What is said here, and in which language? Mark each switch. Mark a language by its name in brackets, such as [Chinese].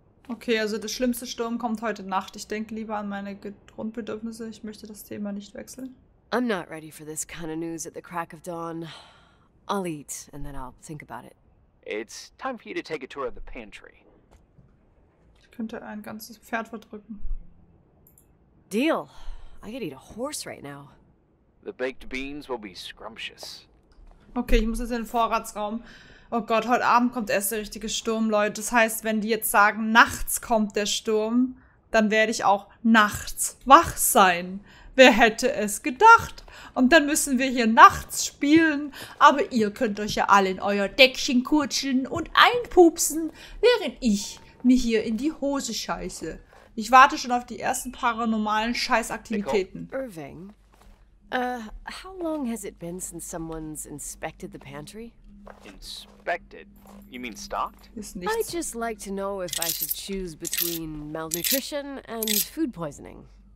[German] Okay, also der schlimmste Sturm kommt heute Nacht. Ich denke lieber an meine Grundbedürfnisse. Ich möchte das Thema nicht wechseln. [English] I'm not ready for this kind of news at the crack of dawn. I'll eat, and then I'll think about it. It's time for you to take a tour of the pantry. [German] Ich könnte ein ganzes Pferd verdrücken. [English] Deal. I could eat a horse right now. The baked beans will be scrumptious. [German] Okay, ich muss jetzt in den Vorratsraum. Oh Gott, heute Abend kommt erst der richtige Sturm, Leute. Das heißt, wenn die jetzt sagen, nachts kommt der Sturm, dann werde ich auch nachts wach sein. Wer hätte es gedacht? Und dann müssen wir hier nachts spielen. Aber ihr könnt euch ja alle in euer Deckchen kutscheln und einpupsen, während ich mir hier in die Hose scheiße. Ich warte schon auf die ersten paranormalen Scheißaktivitäten. [English] Irving, how long has it been since someone's inspected the pantry? Inspected? You mean stocked? I'd just like to know if I should choose between malnutrition and food poisoning.